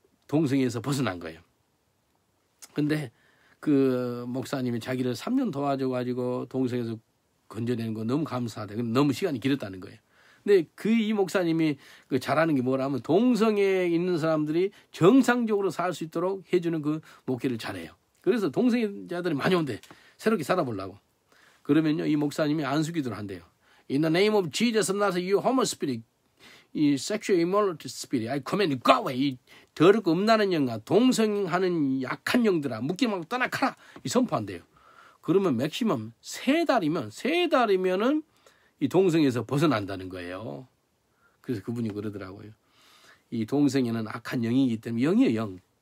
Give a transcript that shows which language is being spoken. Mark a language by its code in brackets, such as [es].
[ko] 동성애에서 벗어난 거예요. 근데 그 목사님이 자기를 3년 도와줘가지고 동성애에서 건져내는 거 너무 감사하다. 너무 시간이 길었다는 거예요. 근데 그 이 목사님이 그 잘하는 게 뭐라면 동성애에 있는 사람들이 정상적으로 살 수 있도록 해주는 그 목회를 잘해요. 그래서 동성애자들이 많이 온대. 새롭게 살아보려고. 그러면요, 이 목사님이 안수 기도를 한대요. [en] In the name of Jesus of Nazareth, you homo spirit, sexual immorality spirit, I command you go away. [ko] 이 더럽고 음란한 영과 동성하는 약한 영들아, 묶임 말고 떠나가라. 이 선포한대요. 그러면 맥시멈 세 달이면은 이 동성에서 벗어난다는 거예요. 그래서 그분이 그러더라고요. 이 동성에는 악한 영이기 때문에, 영이에요, 영.